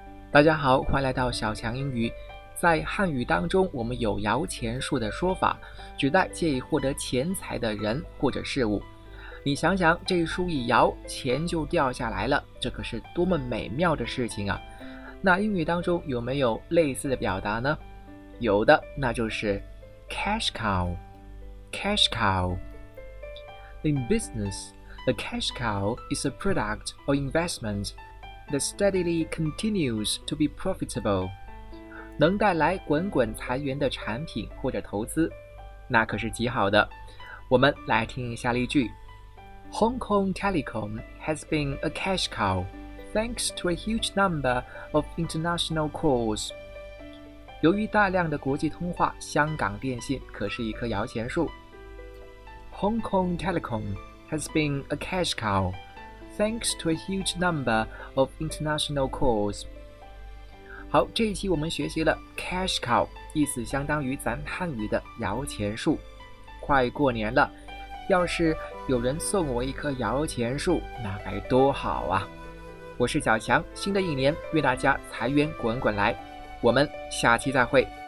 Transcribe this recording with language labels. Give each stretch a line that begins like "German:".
Chinese: 大家好，欢迎来到小强英语。在汉语当中，我们有摇钱树的说法，指代借以获得钱财的人或者事物。你想想，这树一摇，钱就掉下来了，这可是多么美妙的事情啊！那英语当中有没有类似的表达呢？有的，那就是 cash cow。
English: Cash cow. In business, the cash cow is a product or investment that steadily continues to be profitable.
Chinese: 能带来滚滚财源的产品或者投资，那可是极好的。我们来听一下例句。
English: Hong Kong Telecom has been a cash cow, thanks to a huge number of international calls.
Chinese: 由于大量的国际通话，香港电信可是一棵摇钱树。
English: Hong Kong Telecom has been a cash cow, thanks to a huge number of international calls.
Chinese: 好，这一期我们学习了 cash cow, 意思相当于咱汉语的摇钱树。快过年了，要是有人送我一棵摇钱树，那该多好啊！我是小强，新的一年，愿大家财源滚滚来。我们下期再会。